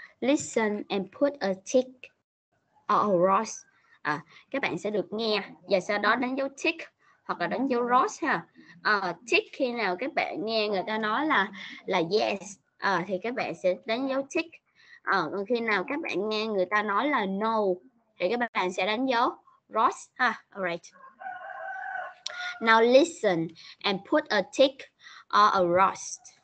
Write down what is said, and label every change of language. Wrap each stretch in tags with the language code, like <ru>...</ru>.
<en>Listen and put a tick or a rose.</en> <vi>Các bạn sẽ được nghe và sau đó đánh dấu tick hoặc là đánh dấu rose ha. Tick khi nào các bạn nghe người ta nói là yes, thì các bạn sẽ đánh dấu tick. Còn khi nào các bạn nghe người ta nói là no, thì các bạn sẽ đánh dấu rose ha.</vi> <en>Alright. Now listen and put a tick or a rose.</en>